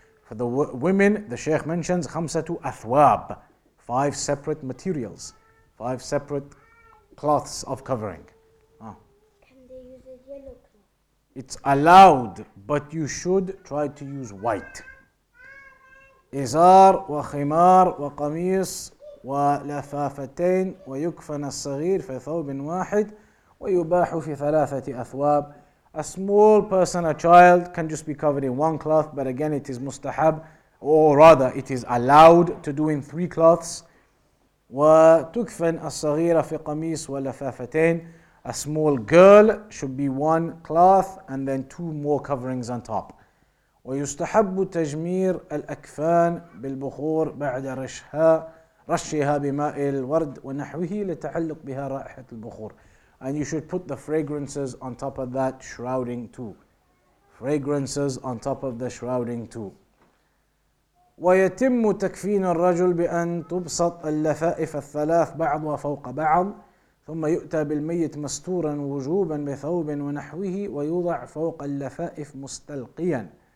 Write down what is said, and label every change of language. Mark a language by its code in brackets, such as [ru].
[en] For the women, the Sheikh mentions khamsatu athwab, five separate materials, five separate cloths of covering. Can they use a yellow cloth? It's allowed, but you should try to use white. [ar] إزار وخمار وقميص ولفافتين ويكفن الصغير في ثوب واحد ويباح في ثلاثة أثواب [en] A small person, a child, can just be covered in one cloth, but again it is mustahab, or rather it is allowed to do in three cloths. [ar] وتكفن الصغيرة في قميص ولفافتين [en] A small girl should be one cloth and then two more coverings on top. [ar] ويستحب تجمير الأكفان بالبخور بعد رشها بماء الورد ونحوه لتعلق بها رائحة البخور. [en] And you should put the fragrances on top of that shrouding too. Fragrances on top of the shrouding too. [ar] ويتم تكفين الرجل بأن تبسط اللفائف الثلاث بعضها فوق بعض ثم يؤتى بالميت مستورا وجوبا بثوب ونحوه ويوضع فوق اللفائف مستلقيا.